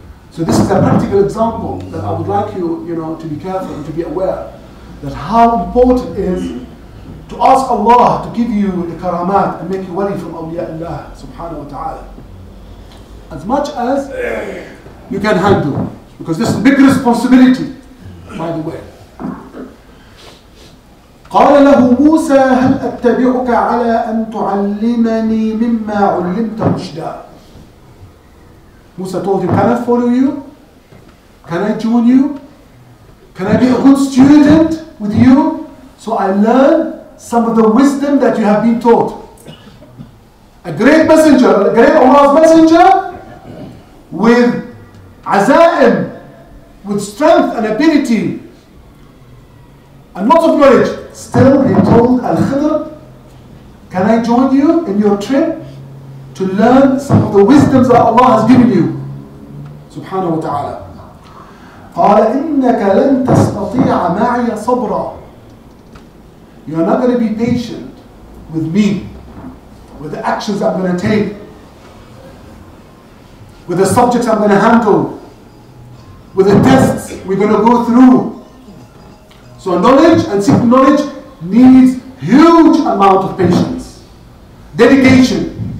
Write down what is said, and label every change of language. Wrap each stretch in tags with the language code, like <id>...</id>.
<en>So this is a practical example that I would like you, you know, to be careful and to be aware that how important it is to ask Allah to give you the karamat and make you wali from awliya Allah subhanahu wa ta'ala. As much as you can handle, because this is a big responsibility. By the way,</en> <ar>قال له موسى هل أتبعك على أن تعلمني مما علمت رشدا.</ar> <en>موسى told him, can I follow you? Can I join you? Can I be a good student with you so I learn some of the wisdom that you have been taught? A great messenger, a great Allah's messenger with azaim, with strength and ability, and lots of knowledge. Still, he told Al-Khidr, can I join you in your trip to learn some of the wisdoms that Allah has given you? Subhanahu wa ta'ala.</en> <ar>قال إنك لن تستطيع معي صبرا.</ar> <en>You are not going to be patient with me, with the actions I'm going to take, with the subjects I'm going to handle, with the tests we're going to go through. So knowledge and seeking knowledge needs huge amount of patience, dedication.</en>